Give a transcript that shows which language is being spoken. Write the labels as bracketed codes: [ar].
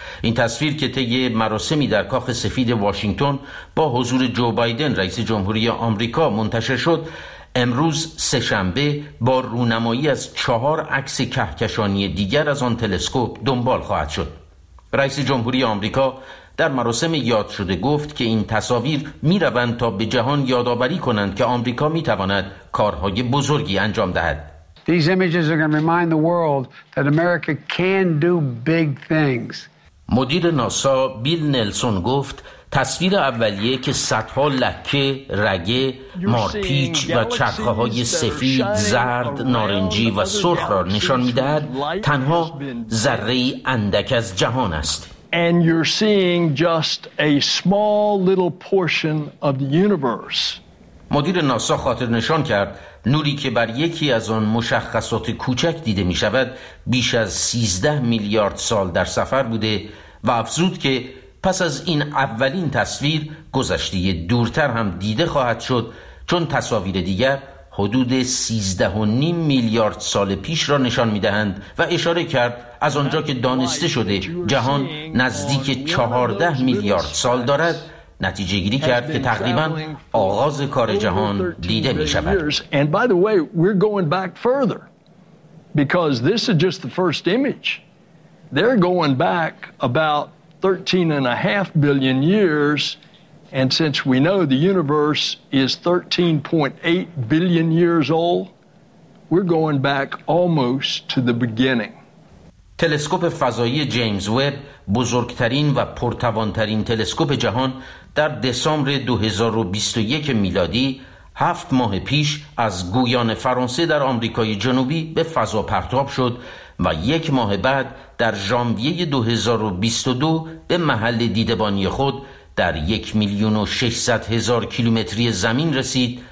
[fa] این تصویر که طی مراسمی در کاخ سفید واشنگتن با حضور جو بایدن رئیس جمهوری آمریکا منتشر شد، امروز سه‌شنبه با رونمایی از 4 عکس کهکشانی دیگر از آن تلسکوپ دنبال خواهد شد. رئیس جمهوری آمریکا در مراسم یاد شده گفت که این تصاویر می روند تا به جهان یادآوری کنند که آمریکا می تواند کارهای بزرگی انجام دهد. [en] These images are going to remind the world that America can do big things. [fa] مدیر ناسا بیل نلسون گفت تصویر اولیه که صدها لکه، رگه، مارپیچ و چرخه‌های سفید، زرد، نارنجی و سرخ را نشان می‌دهد، تنها ذره‌ای اندک از جهان است. [en] And you're seeing just a small little portion of the universe. [fa] مدیر ناسا خاطر نشان کرد نوری که بر یکی از آن مشخصات کوچک دیده می شود بیش از 13 میلیارد سال در سفر بوده و افزود که پس از این اولین تصویر گذشته دورتر هم دیده خواهد شد، چون تصاویر دیگر حدود 13.5 میلیارد سال پیش را نشان می دهند و اشاره کرد از آنجا که دانسته شده جهان نزدیک 14 میلیارد سال دارد، نتیجه گیری کرد که تقریبا آغاز کار جهان دیده می شود. [en] And by the way, we're going back further because this is just the first image. They're going back about 13.5 billion years, and since we know the universe is 13.8 billion years old, we're going back almost to the beginning. [fa] تلسکوپ فضایی جیمز وب، بزرگترین و پرتوانترین تلسکوپ جهان، در دسامبر 2021 میلادی 7 ماه پیش از گویان فرانسه در آمریکای جنوبی به فضا پرتاب شد و 1 ماه بعد در ژانویه 2022 به محل دیدبانی خود در 1,600,000 کیلومتری زمین رسید.